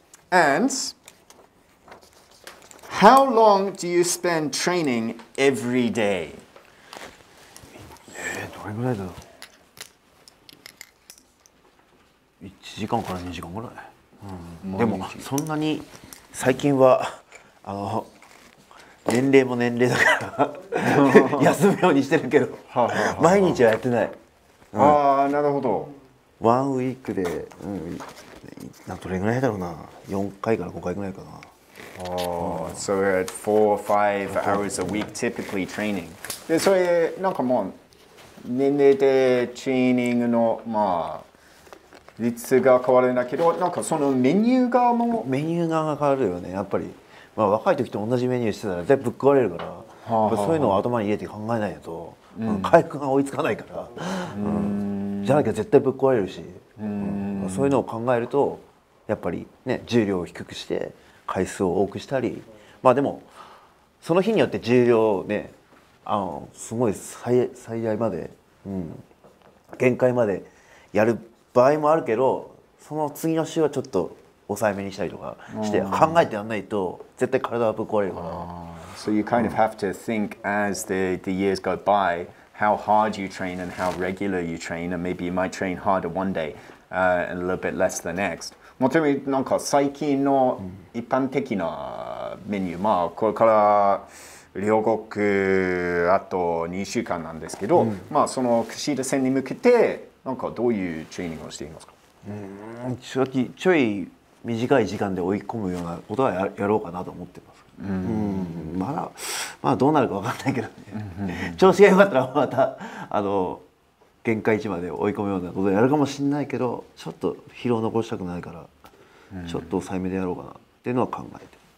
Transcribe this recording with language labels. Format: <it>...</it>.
<en>And how long do you spend training every day?</en> <ja>どれぐらいだろう1時間から2時間ぐらい、うん、でもそんなに最近はあの年齢も年齢だから休むようにしてるけど毎日はやってない、うん、ああなるほどワンウィークで、うん、どれぐらいだろうな4回から5回ぐらいかな</ja> <en>Oh, so we're at 4 or 5 hours a week typically training.</en> <ja>で、それ、なんかもう、年齢でトレーニングの、まあ、率が変わるんだけど、なんかそのメニュー側も。メニュー側が変わるよね、やっぱり。まあ、若い時と同じメニューしてたら全部ぶっ壊れるから、はあはあ、そういうのを頭に入れて考えないと、うん、回復が追いつかないから、うん、じゃなきゃ絶対ぶっ壊れるし、うん、そういうのを考えると、やっぱりね、重量を低くして、回数を多くしたり、まあでもその日によって重量ね、あのすごい最大まで、うん、限界までやる場合もあるけど、その次の週はちょっと抑えめにしたりとかして、うん、考えてやんないと絶対体はぶっ壊れるから。</ja> <en>So you kind of have to think as the years go by how hard you train and how regular you train, and maybe you might train harder one day, and a little bit less the next.</en> <ja>もちろんなんか最近の一般的なメニュー、うん、まあこれから両国あと2週間なんですけど、うん、まあその串田戦に向けてなんかどういうトレーニングをしていますか。ちょい短い時間で追い込むようなことは やろうかなと思ってます、うんうん、まだどうなるか分かんないけどね、うんうんうん、調子が良かったらまたあの限界値まで追い込むようなことをやるかもしれないけど、ちょっと疲労残したくないから、ちょっと抑え目でやろうかなっていうのは考えて。</ja>